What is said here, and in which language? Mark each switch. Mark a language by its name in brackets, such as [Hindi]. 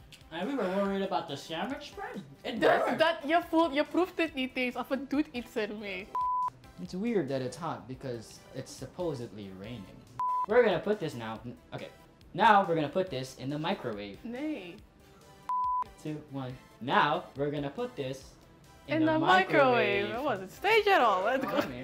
[English] And we were worried about the sandwich spread. It does that, [Dutch] je voelt, je proeft het niet eens of het doet iets ermee. [English] It's weird that it's hot because it's supposedly raining. We're gonna put this now. Okay. Now we're gonna put this in the microwave. [Dutch] Nee. [English] 2, 1. Now we're gonna put this in the microwave. It wasn't staged at all. Let's go.